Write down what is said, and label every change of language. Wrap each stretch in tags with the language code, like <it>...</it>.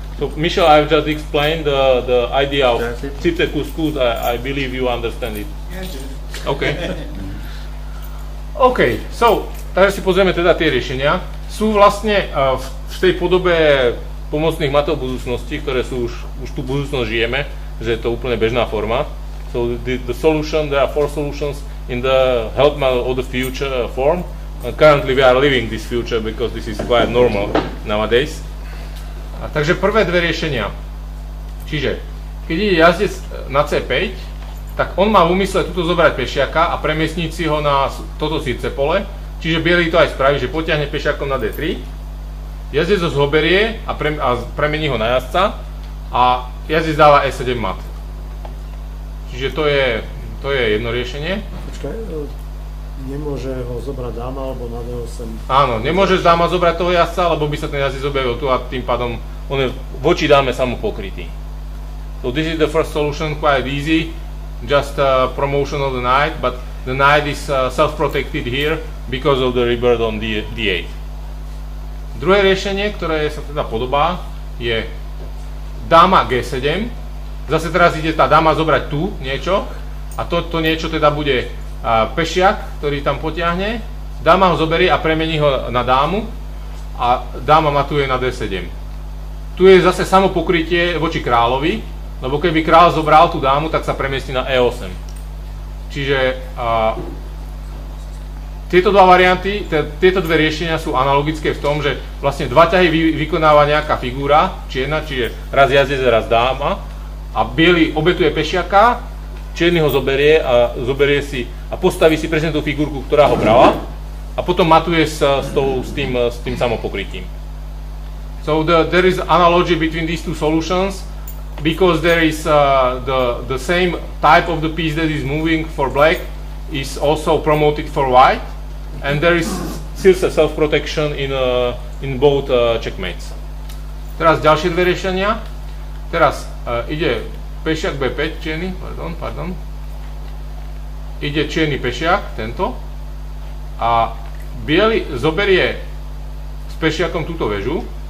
<en>So, Michel, I've just explained the idea of circe kuskus, I believe you understand it. Okay.</en> <sk>OK, so, takže si pozrieme teda tie riešenia. Sú vlastne v tej podobe pomocných matov budúcnosti, ktoré sú už tú budúcnosť žijeme, že je to úplne bežná forma.</sk> <en>So the solution, there are four solutions in the help matter of the future form. Currently we are living this future because this is quite normal nowadays.</en> <sk>A takže prvé dve riešenia. Čiže, keď ide jazdec na C5, tak on má v úmysle tuto zobrať pešiaka a premiestniť si ho na toto circe pole. Čiže bielý to aj spraví, že potiahne pešiakom na D3. Jazdec ho zoberie a premení ho na jazdca a jazdec dáva E7 mat. Čiže to je jedno riešenie. Počkaj, nemôže ho zobrať dáma alebo na D8? Áno, nemôže dáma zobrať toho jazdca, lebo by sa ten jazdec objavil tu a tým pádom on je voči dáme samopokrytý.</sk> <en>So this is the first solution, quite easy. Just a promotion of the knight, but the knight is self-protected here because of the rebirth on D8.</en> <sk>Druhé riešenie, ktoré sa teda podobá, je dáma G7. Zase teraz ide tá dáma zobrať tu niečo a to niečo teda bude pešiak, ktorý tam potiahne. Dáma ho zoberie a premení ho na dámu a dáma matuje na D7. Tu je zase samopokrytie voči kráľovi, lebo keby kráľ zobral tú dámu, tak sa premiestni na E8. Čiže tieto dva varianty, tieto dve riešenia sú analogické v tom, že vlastne dva ťahy vykonáva nejaká figúra, čierna, čiže raz jazdec, raz dáma, a bielý obetuje pešiaka, Černý ho zoberie a zoberie si a postaví si presne tú figurku, ktorá ho brala. A potom matuje sa s tým samopokrytím.</sk> <en>So there is analogy between these two solutions because there is the same type of the piece that is moving for black is also promoted for white and there is still self protection in both checkmates.</en> <sk>Teraz ďalšie dve riešenia. Teraz ide pešiak B5 čierny, pardon. Ide čierny pešiak tento. A bielý zoberie s pešiakom túto vežu.</sk>